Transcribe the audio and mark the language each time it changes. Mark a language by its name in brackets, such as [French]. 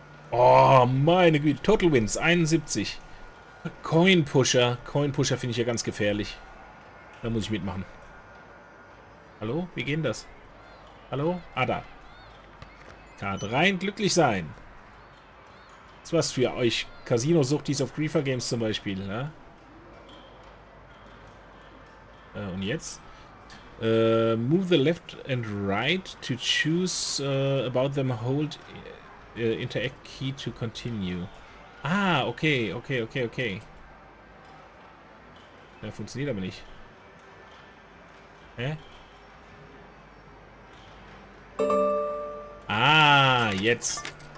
[German] Oh, meine Güte. Total Wins, 71. Coin Pusher finde ich ja ganz gefährlich. Da muss ich mitmachen. Hallo? Wie geht das? Hallo? Ah, da. Kart rein, glücklich sein. Das ist was für euch. Casino-Suchtis auf Griefer Games zum Beispiel, ne? Und jetzt? [English] Move the left and right to choose about them. Hold interact key to continue. Ah, okay. [German] Ja, funktioniert aber nicht. Hä? Ah, jetzt.